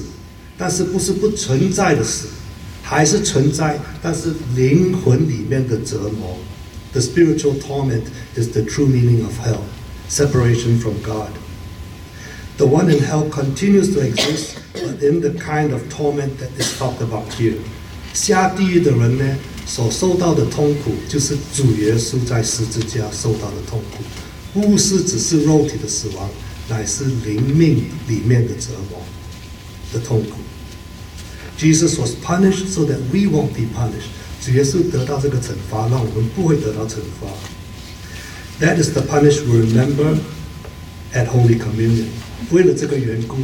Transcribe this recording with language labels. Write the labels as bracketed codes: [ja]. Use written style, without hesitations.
[zh] 在圣经里面，下地狱的意思就是呢，一个永远的死，但是不是不存在的死。还是存在，但是灵魂里面的折磨。 [en] The spiritual torment is the true meaning of hell, separation from God. The one in hell continues to exist, but in the kind of torment that is talked about here. [zh] 下地狱的人呢，所受到的痛苦就是主耶稣在十字架受到的痛苦，不是只是肉体的死亡，乃是灵命里面的折磨的痛苦。 [en] Jesus was punished so that we won't be punished. [zh] 主耶稣得到这个惩罚，让我们不会得到惩罚。 [en] That is the punishment we remember at Holy Communion.